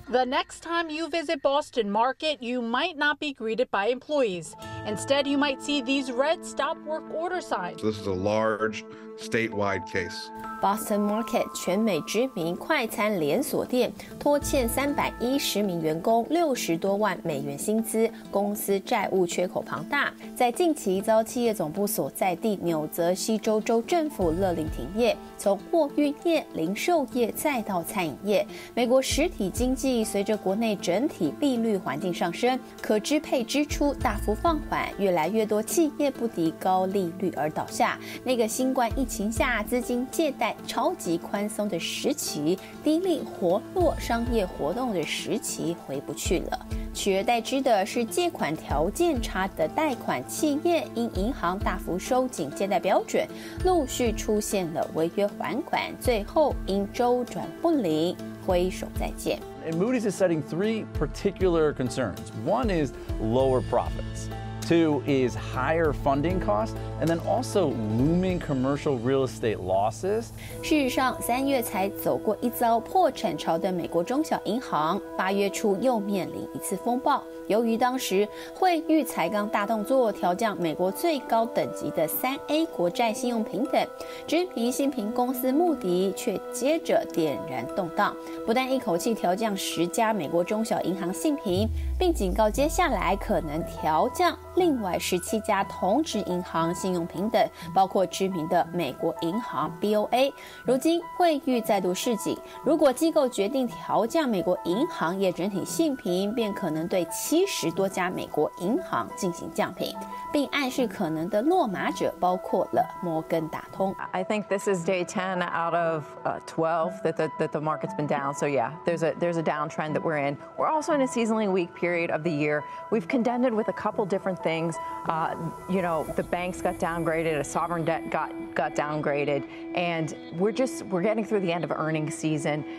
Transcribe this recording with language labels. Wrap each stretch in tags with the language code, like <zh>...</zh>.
<en>The next time you visit Boston Market, you might not be greeted by employees. Instead, you might see these red stop work order signs. This is a large statewide case.</en> <zh>Boston Market 全美知名快餐连锁店拖欠310名员工60多万美元薪资，公司债务缺口庞大，在近期遭企业总部所在地纽泽西州州政府勒令停业，从货运业、零售业再到餐饮业，美国实体经济随着国内整体利率环境上升，可支配支出大幅放缓，越来越多企业不敌高利率而倒下。那个新冠疫情下资金借贷超级宽松的时期，低利活络商业活动的时期回不去了，取而代之的是借款条件差的贷款企业因银行大幅收紧借贷标准，陆续出现了违约还款，最后因周转不灵挥手再见。 And Moody's is setting three particular concerns. One is lower profits. Two is higher funding costs. And then also looming commercial real estate losses. 事实上，三月才走过一遭破产潮的美国中小银行，八月初又面临一次风暴。由于当时惠誉才刚大动作调降美国最高等级的3A 国债信用平等，知名信评公司穆迪却接着点燃动荡，不但一口气调降10家美国中小银行信评，并警告接下来可能调降另外17家同质银行信用平等，包括知名的美国银行 BOA。如今惠誉再度示警，如果机构决定调降美国银行业整体信评，便可能对70多家美国银行进行降评，并暗示可能的落马者包括了摩根大通。</zh> <en>I think this is day 10 out of 12 that the market's been down. So yeah, there's a downtrend that we're in. We're also in a seasonally weak period of the year. We've contended with a couple different things. You know, the banks got downgraded, a sovereign debt got downgraded, and we're getting through the end of earnings season.</en>